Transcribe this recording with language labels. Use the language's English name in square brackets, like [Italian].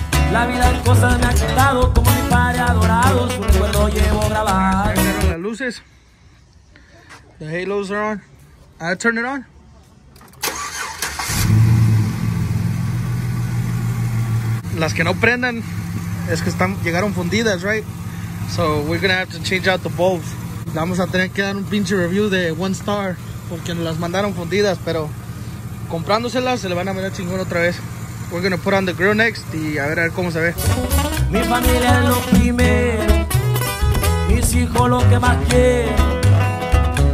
[Spanish] La vida en cosas me ha quitado, como mi padre adorado, su recuerdo llevo grabado. Las luces, [English] the halos are on. I turn it on. [Spanish] Las que no prendan es que llegaron fundidas, right? [English] So we're gonna have to change out the bulbs. [Spanish] Vamos a tener que dar un pinche review de 1 star porque nos las mandaron fundidas, pero comprándoselas se le van a mirar chingón otra vez. [English] We're gonna put on the grill next [Spanish] y a ver cómo se ve. Mi familia es lo primero, mis hijos lo que más quiero.